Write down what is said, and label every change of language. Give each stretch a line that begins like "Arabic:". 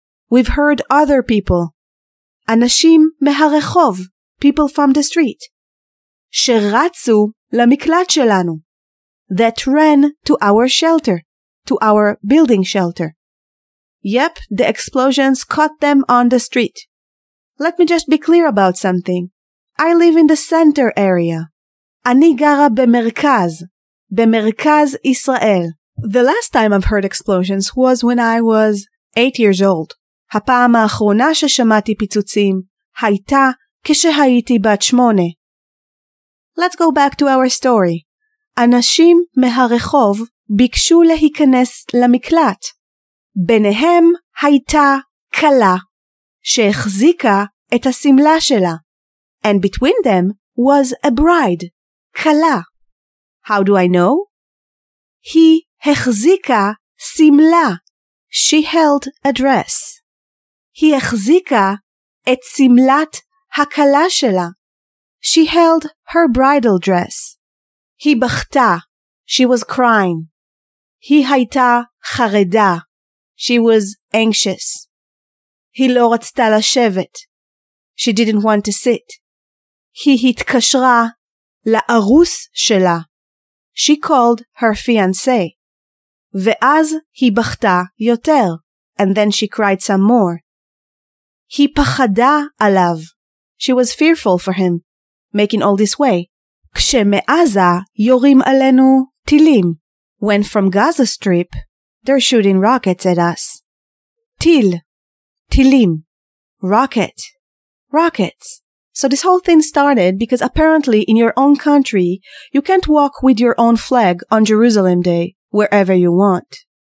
English: We've heard other people.
Hebrew: אנשים מהרחוב,
English: people from the street,
Hebrew: שרצו למקלט שלנו,
English: that ran to our shelter, to our building shelter. Yep, the explosions caught them on the street. Let me just be clear about something. I live in the center area.
Hebrew: אני גרה במרכז, במרכז ישראל.
English: The last time I've heard explosions was when I was 8 years old.
Hebrew: הפעם האחרונה ששמעתי פיצוצים הייתה כשהייתי בת 8.
English: Let's go back to our story.
Hebrew: אנשים מהרחוב ביקשו להיכנס למקלט. ביניהם הייתה קלה שהחזיקה את הסמלה שלה.
English: And between them was a bride, kala. How do I know?
Hebrew: He hechzika simla.
English: She held a dress.
Hebrew: He hechzika et simlat hakala shela.
English: She held her bridal dress.
Hebrew: He bachta.
English: She was crying.
Hebrew: He hayta chareda.
English: She was anxious.
Hebrew: He lo ratzta lashevet.
English: She didn't want to sit.
Hebrew: היא התקשרה לארוס שלה.
English: She called her fiancé.
Hebrew: ואז היא בכתה יותר.
English: And then she cried some more.
Hebrew: היא פחדה עליו.
English: She was fearful for him, making all this way.
Hebrew: כשמעזה יורים עלינו טילים.
English: When from Gaza Strip, they're shooting rockets at us.
Hebrew: טיל. טילים.
English: Rocket. Rockets. So this whole thing started because apparently in your own country, you can't walk with your own flag on Jerusalem Day, wherever you want.